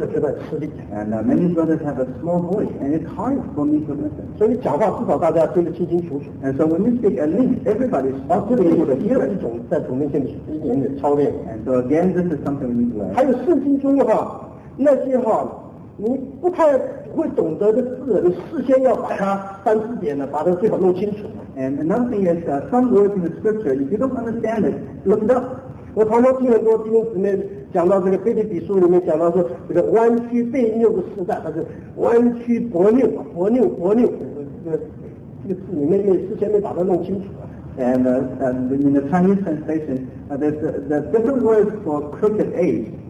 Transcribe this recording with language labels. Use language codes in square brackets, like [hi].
[en] many brothers have a small voice, and it's hard for me to listen. [zh] 所以讲话至少大家听得清清楚楚。 [en] And so when you speak, at least everybody's able to hear. [zh] 一种在主面前的一点点操练。 [en] And so again, this is something we need to learn. [zh] 还有圣经中的话，那些话。你不太会懂得的字，你事先要把它翻字典呢，把它最好弄清楚。 [en] And another thing is, some words in the scripture, if you don't understand it, look it up. [zh] 我常常听很多弟兄姊妹讲到这个腓立比书里面讲到说这个弯曲悖谬的时代，它是弯曲驳谬，驳谬驳谬，这个字里面事先没把它弄清楚。 [en] And in the Chinese translation, there's different words for crooked age.